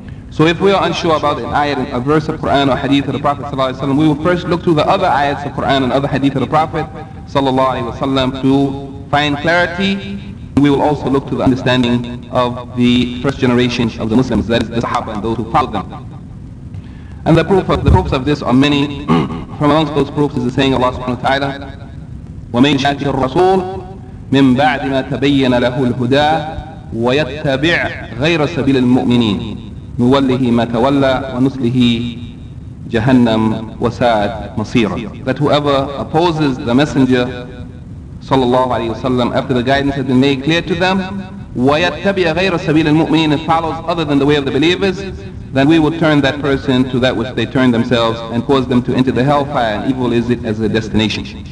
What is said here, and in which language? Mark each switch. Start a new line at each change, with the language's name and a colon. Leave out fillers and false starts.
English: So if we are unsure about an ayat, a verse of Qur'an or hadith of the Prophet ﷺ, we will first look to the other ayats of Qur'an and other hadith of the Prophet ﷺ to find clarity. We will also look to the understanding of the first generation of the Muslims, that is the Sahaba and those who followed them. And the proofs of this are many. From amongst those proofs is the saying Allah subhanahu wa ta'ala,
Arabic: وَمَنْ شَاكِرْ رَسُولُ مِنْ بَعْدِ مَا تَبَيَّنَ لَهُ الْهُدَىٰ وَيَتَّبِعْ غَيْرَ سَبِيلِ الْمُؤْمِنِينَ نُوَلِّهِ مَا تَوَلَّى وَنُسْلِهِ جَهَنَّمْ وَسَاءَتْ مَصِيرًا.
English: That whoever opposes the Messenger sallallahu alayhi wa sallam after the guidance has been made clear to them,
Arabic: وَيَتَّبِعْ غَيْرَ سَبِيلِ الْمُؤْمِنِينَ,
English: and follows other than the way of the believers, then we will turn that person to that which they turn themselves and cause them to enter the hellfire, and evil is it as a destination.